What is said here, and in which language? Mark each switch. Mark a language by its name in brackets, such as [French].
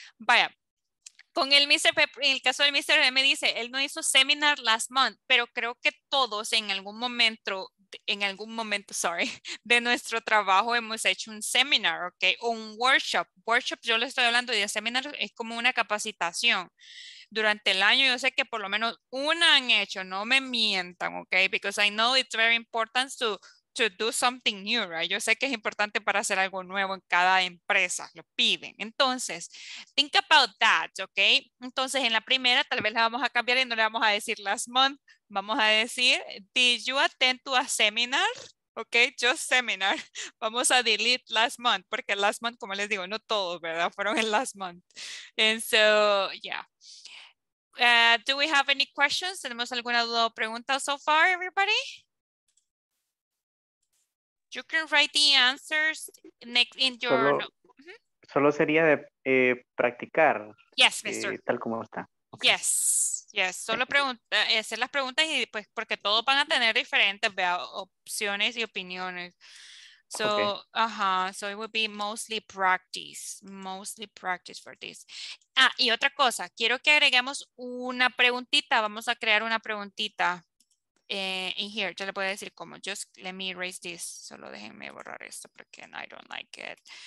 [Spanish] Vaya, con el Mr. Pepper, en el caso del Mr. Pepper, me dice, él no hizo seminar last month, pero creo que todos en algún momento en algún momento, sorry, de nuestro trabajo hemos hecho un seminar, ¿ok? O un workshop. Workshop, yo le estoy hablando de seminar, es como una capacitación. Durante el año yo sé que por lo menos una han hecho, no me mientan, ¿ok? [English] Because I know it's very important to do something new, right? [Spanish] Yo sé que es importante para hacer algo nuevo en cada empresa, lo piden. Entonces, [English] think about that, [Spanish] ¿ok? Entonces, en la primera tal vez la vamos a cambiar y no le vamos a decir last month, vamos a decir, [English] did you attend to a seminar? [Spanish] Ok, [English] just seminar. [Spanish] Vamos a delete last month, porque last month, como les digo, no todos, ¿verdad? Fueron el last month. [English] And so, yeah. Do we have any questions? [Spanish] ¿Tenemos alguna duda o pregunta [English] so far, everybody? You can write the answers next in your... [Spanish] Solo, solo sería de practicar. [English] Yes, mister. [Spanish] Tal como está. [English] Okay. Yes. [Spanish] Yes, solo pregunta, hacer las preguntas y pues porque todos van a tener diferentes, ¿verdad? Opciones y opiniones. So, okay. [English] So it would be mostly practice for this. [Spanish] Ah, y otra cosa, quiero que agreguemos una preguntita, vamos a crear una preguntita in here, yo le puedo decir cómo, [English] just let me erase this, [Spanish] solo déjenme borrar esto porque [English] I don't like it.